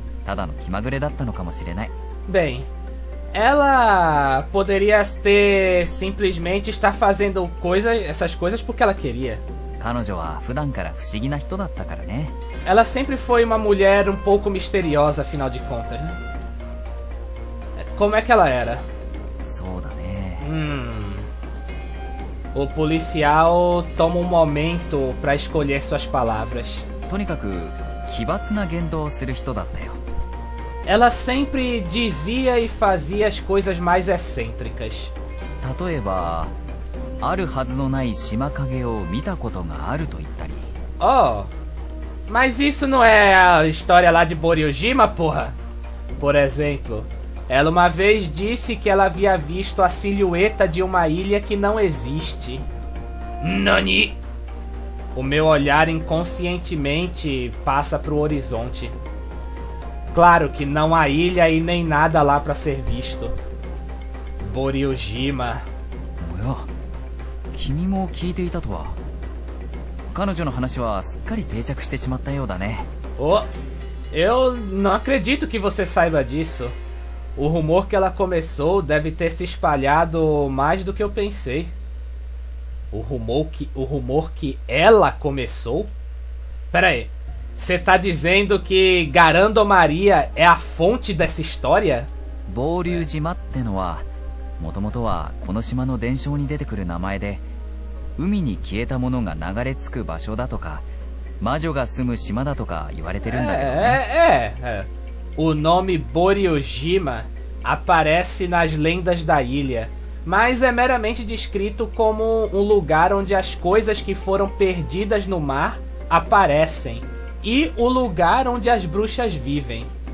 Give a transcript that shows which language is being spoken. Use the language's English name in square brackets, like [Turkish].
[Japanese] ただの気まぐれだったのかもしれない。 [Portuguese] Bem, ela poderia ter simplesmente estar fazendo essas coisas porque ela queria. [Japanese] 彼女は普段から不思議な人だったからね。 [Portuguese] Ela sempre foi uma mulher um pouco misteriosa, afinal de contas, né? Como é que ela era? [Japanese] そうだね。 [Portuguese] O policial toma um momento para escolher suas palavras. [Japanese] とにかく奇抜な言動をする人だったよ。 [Portuguese] Ela sempre dizia e fazia as coisas mais excêntricas. [Japanese] 例えば、あるはずのない島影を見たことがあると言ったり。 [Portuguese] Oh, mas isso não é a história lá de Boryujima, porra? Por exemplo, ela uma vez disse que ela havia visto a silhueta de uma ilha que não existe. Nani? O meu olhar inconscientemente passa pro horizonte. Claro que não há ilha e nem nada lá pra ser visto. Boryujima. [Japanese] Oya, 君も聞いていたとは。彼女の話はすっかり定着してしまったようだね。 [Portuguese] Oh, eu não acredito que você saiba disso. O rumor que ela começou deve ter se espalhado mais do que eu pensei. O rumor que ela começou? Peraí. Você tá dizendo que Garando Maria é a fonte dessa história? [Japanese] Boryujima ってのは、もともとはこの島の伝承に出てくる名前で、海に消えたものが流れ着く場所だとか、魔女が住む島だとか言われてるんだけどね。 [Portuguese] O nome Boryujima aparece nas lendas da ilha, mas é meramente descrito como um lugar onde as coisas que foram perdidas no mar aparecem. E o lugar onde as bruxas vivem.